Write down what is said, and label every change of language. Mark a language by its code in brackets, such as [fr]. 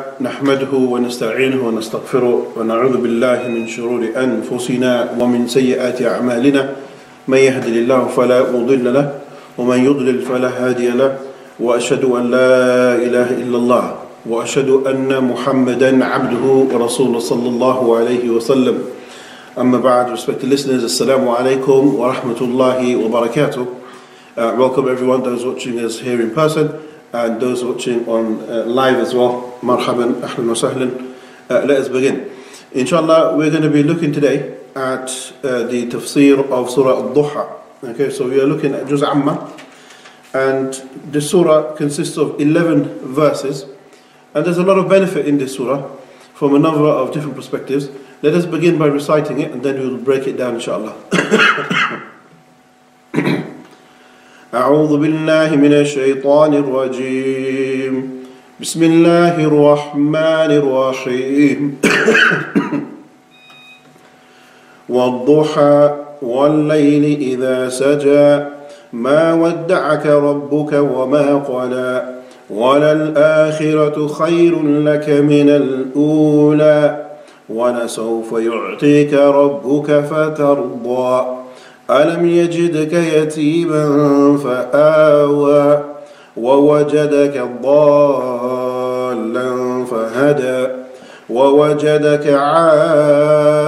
[ar] نحمده ونستعينه ونستغفره ونعوذ بالله من شرور أنفسنا ومن سيئات أعمالنا من يهدي الله فلا مضل له ومن يضلل فلا هادي له وأشهد أن لا إله إلا الله وأشهد أن محمدا عبده ورسوله صلى الله عليه وسلم أما بعد [en] respected listeners [ar] السلام عليكم ورحمة الله وبركاته [en] welcome everyone those watching us here in person and those watching on live as well. [ar] Marhaban, ahlan wa sahlan. [en] Let us begin. Inshallah, we're going to be looking today at the Tafsir of Surah Ad-Duha. Okay, so we are looking at Juz Amma. And the Surah consists of 11 verses. And there's a lot of benefit in this Surah from a number of different perspectives. Let us begin by reciting it and then we'll break it down, inshallah. [ar] أعوذ بالله من الشيطان الرجيم بسم الله الرحمن الرحيم والضحى والليل إذا سجى ما ودعك ربك وما قلى وللآخرة خير لك من الأولى ولسوف يعطيك ربك فترضى ألم يجدك يتيما فآوى ووجدك ضالا فهدى ووجدك عائلا